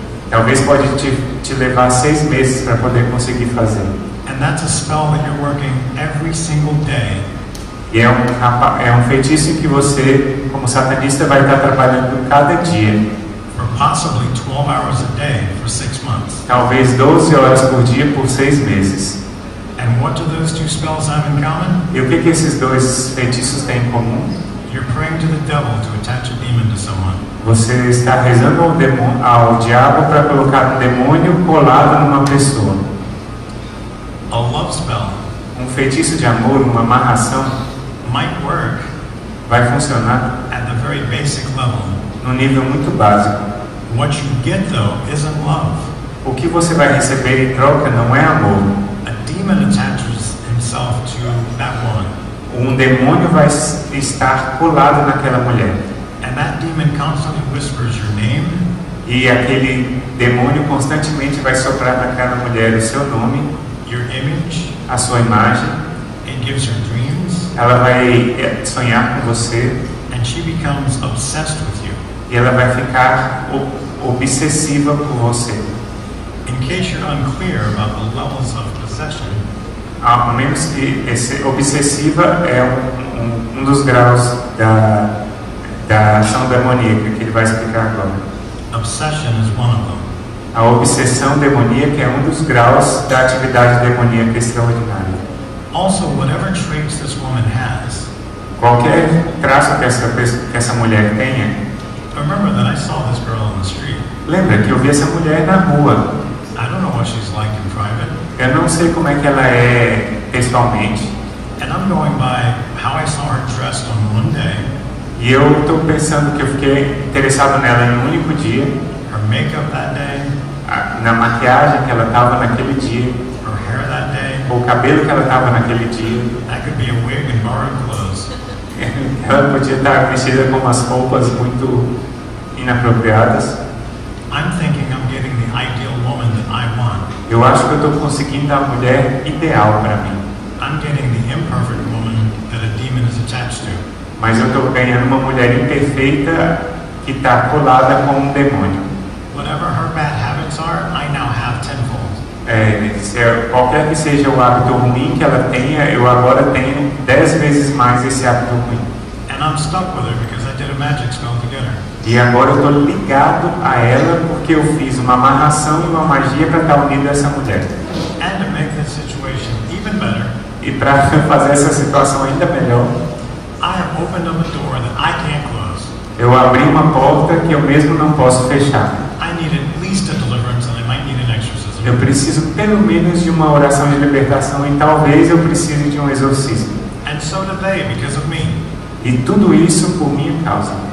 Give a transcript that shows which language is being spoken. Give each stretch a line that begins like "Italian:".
Portuguese: Talvez pode te levar 6 meses para poder conseguir fazer.
English: And that's a spell that you're working every single day.
Portuguese: E é um feitiço que você, como satanista, vai estar trabalhando cada dia.
English: For possibly 12 hours a day for 6 months.
Portuguese: Talvez 12 horas por dia por 6 meses.
English: And what do those two spells have in common?
Portuguese: E o que esses dois feitiços têm em comum?
English: You're praying to the devil to attach a demon to someone.
Portuguese: Você está rezando ao diabo para colocar um demônio colado numa pessoa.
English: A love spell.
Portuguese: Um feitiço de amor, uma amarração.
English: Might work.
Portuguese: Vai funcionar.
English: At the very basic level.
Portuguese: No nível muito básico.
English: What you get though isn't love.
Portuguese: O que você vai receber em troca não é amor.
English: A demon attaches himself to that one.
Portuguese: Um demônio vai estar colado naquela mulher.
English: And that demon constantly whispers your name.
Portuguese: E aquele demônio constantemente vai soprar naquela mulher o seu nome.
English: Your image.
Portuguese: A sua imagem.
English: It gives her dreams.
Portuguese: Ela vai sonhar com você.
English: And she becomes obsessed with you.
Portuguese: E ela vai ficar obsessiva com você.
English: In case you're unclear about the levels of possession,
Portuguese: ao menos que esse obsessiva é um dos graus da ação demoníaca que ele vai explicar agora.
English: Obsession is one of them.
Portuguese: A obsessão demoníaca é um dos graus da atividade demoníaca extraordinária.
English: Also, whatever traits this woman has,
Portuguese: qualquer traço que essa mulher tenha.
English: Remember that I saw this girl on the street.
Portuguese: Lembra que eu vi essa mulher na rua.
English: I don't know what she's like in private.
Portuguese: Eu não sei como é que ela é pessoalmente.
English: And I'm going by how I saw her dressed on one day.
Portuguese: E eu estou pensando que eu fiquei interessado nela em um único dia.
English: Her makeup that day.
Portuguese: Na maquiagem que ela estava naquele dia.
English: Her hair that day.
Portuguese: O cabelo que ela estava naquele dia.
English: That could be a wig and borrowed clothes.
Portuguese: Ela podia estar vestida com umas roupas muito inapropriadas.
English: I'm thinking I'm getting the ideal woman that I want.
Portuguese: Eu acho que eu estou conseguindo a mulher ideal para mim.
English: I'm getting the imperfect woman that a demon is attached to.
Portuguese: Mas eu estou ganhando uma mulher imperfeita que está colada com um demônio.
English: Whatever her bad habits are, I now have tenfold.
Portuguese: Qualquer que seja o hábito ruim que ela tenha, eu agora tenho 10 vezes mais esse hábito ruim.
English: And I'm stuck with her because I did a magic spell together.
Portuguese: E agora eu estou ligado a ela porque eu fiz uma amarração e uma magia para estar unido a essa mulher.
English: And to make this situation even better,
Portuguese: e para fazer essa situação ainda melhor,
English: I have opened up a door that I can't close.
Portuguese: Eu abri uma porta que eu mesmo não posso fechar.
English: I need at least a deliverance and I might need an exorcism.
Portuguese: Eu preciso pelo menos de uma oração de libertação e talvez eu precise de um exorcismo.
English: And so do they, because of me.
Portuguese: E tudo isso por minha causa.